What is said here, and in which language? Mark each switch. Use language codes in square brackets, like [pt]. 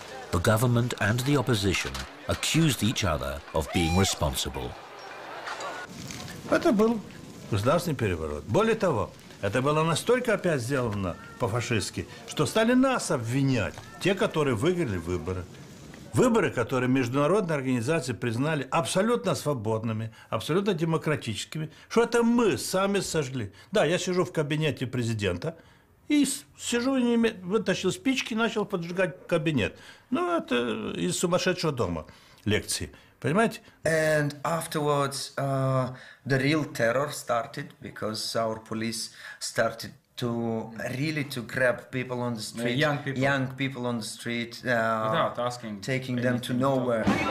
[en] The government and the opposition accused each other of being responsible. [ru] Это был государственный переворот. Более того, это было настолько опять сделано по-фашистски, что стали нас обвинять, те, которые выиграли выборы. Выборы, которые международные организации признали абсолютно свободными, абсолютно демократическими, что это мы сами сожгли. Да, я сижу в кабинете президента и сижу, вытащил спички и начал поджигать кабинет. Ну, это из сумасшедшего дома лекции. Понимаете? [en] And afterwards, the real terror started because our police started to really to grab people on the street, young people on the street, without asking, taking them to nowhere.